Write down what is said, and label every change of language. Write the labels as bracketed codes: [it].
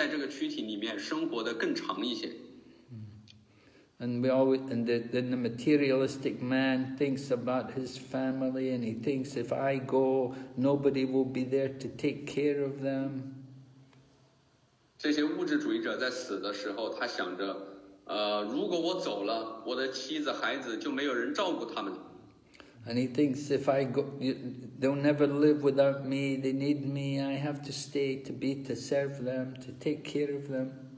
[zh] 物质主义者，他们总是很依附这个躯体，不想放弃这个躯体。他们想让在这个躯体里面生活的更长一些。 [en] And we always, and then the materialistic man thinks about his family, and he thinks, if I go, nobody will be there to take care of them. [zh] 这些物质主义者在死的时候，他想着，如果我走了，我的妻子、孩子就没有人照顾他们。 [en] And he thinks, if I go, they'll never live without me. They need me. I have to stay to serve them, to take care of them.